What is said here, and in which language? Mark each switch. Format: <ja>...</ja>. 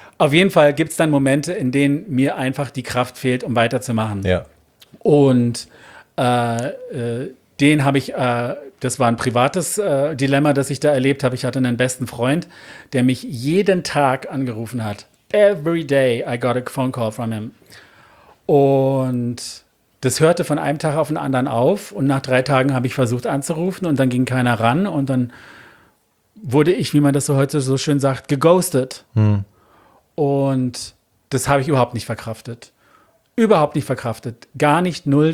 <de>Auf jeden Fall gibt es dann Momente, in denen mir einfach die Kraft fehlt, um weiterzumachen. Ja. Und den habe ich, das war ein privates Dilemma, das ich da erlebt habe. Ich hatte einen besten Freund, der mich jeden Tag angerufen hat.</de> <en>Every day I got a phone call from him.</en> <de>Und das hörte von einem Tag auf den anderen auf. Und nach 3 Tagen habe ich versucht anzurufen und dann ging keiner ran. Und dann wurde ich, wie man das so heute so schön sagt, geghostet. Und das habe ich überhaupt nicht verkraftet. Überhaupt nicht verkraftet. Gar nicht, null.</de>